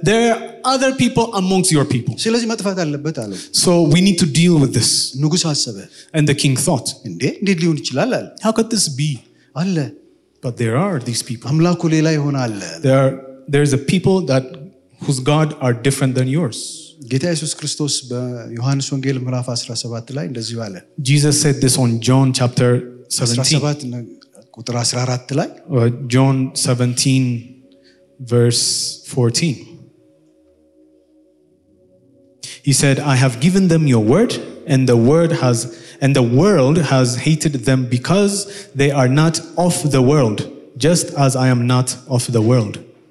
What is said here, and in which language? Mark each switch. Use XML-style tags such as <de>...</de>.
<en>There are other people amongst your people. So we need to deal with this. And the king thought, how could this be? But there are these people. There is a people that whose God are different than yours.</en> <am>ጌታ ኢየሱስ ክርስቶስ በዮሐንስ ወንጌል ምዕራፍ 17 ላይ እንደዚህ አለ.</am> <en>Jesus said this on John chapter 17.</en> <am>ቁጥር 14 ላይ.</am> <en>John 17 verse 14. He said, I have given them your word, and the word has and the world has hated them because they are not of the world, just as I am not of the world.</en>